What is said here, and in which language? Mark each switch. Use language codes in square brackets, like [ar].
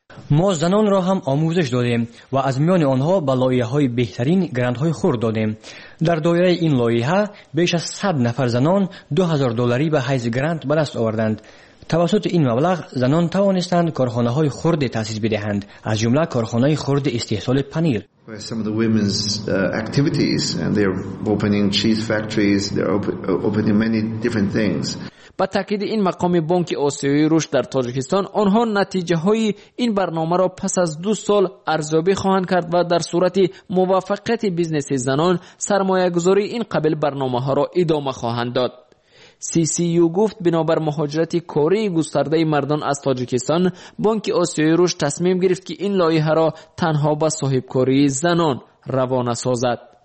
[fa] ما زنان را هم آموزش دادیم و از میان آنها به لایحه های بهترین گرانت های خرد دادیم. در دایره این لایحه بیش از 100 نفر زنان 2000 دلاری به حیث گرانت به دست آوردند. توسط این مبلغ زنان توانستند کارخانه های خرد تأسیس بدهند، از جمله کارخانه خرد استحصال پنیر. [en] Some of the women's activities and they're opening cheese factories, they're opening many different things. [fa] با تأکید این مقام بانک آسیای رشد در تاجیکستان، آنها نتیجه های این برنامه را پس از دو سال ارزیابی خواهند کرد و در صورت موفقیت بیزنس زنان سرمایه گذاری این قبیل برنامه ها را ادامه خواهند داد. سی سی یو گفت بنابر مهاجرت کاری گسترده مردان از تاجیکستان، بانک آسیای رشد تصمیم گرفت که این لایحه را تنها به صاحبکاری زنان روانه سازد.